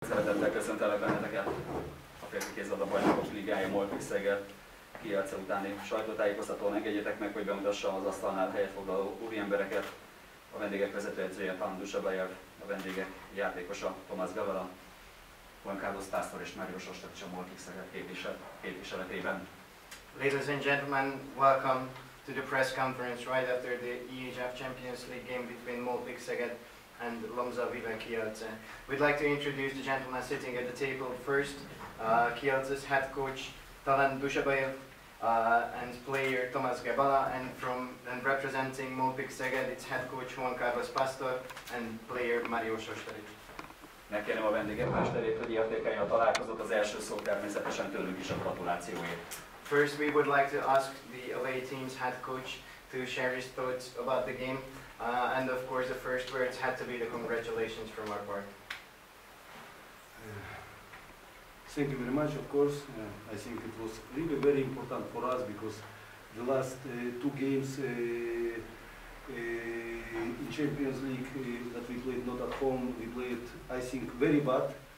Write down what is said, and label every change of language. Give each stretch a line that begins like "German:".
Hungarian: szeretettel köszöntelek benneteket a férfi kézilabda bajnokos ligája Molnár Szeged kijátszása utáni sajtótájékoztatón. Engedjétek meg, hogy bemutassam az asztalnál helyet foglaló úriembereket. A vendégek vezetőedzője Pándus Ablajev, a vendégek játékosa Tomasz Gavala, Juan Carlos Pásztor és Mariusz Ostepcs a Molnár Szeged képviseletében.
English: Ladies and gentlemen, welcome to the press conference right after the EHF Champions League game between Molnár Szeged and Lomza Vive Kielce. We'd like to introduce the gentleman sitting at the table first, Kielce's head coach Talan Dushabayev and player Tomasz Gavala, and representing Molnár Szeged, its head coach Juan Carlos Pásztor and player Mariusz Ostepcs.
Hungarian: Megkérem a vendégek mesterét, hogy értékelje a találkozót, az első szó természetesen tőlük is a gratulációért.
English: First, we would like to ask the away team's head coach to share his thoughts about the game. And of course, the first words had to be the congratulations from our part. Thank you very much, of course. I think it was really very important for us because the last two games in Champions League that we played not at home, we played, I think, very bad.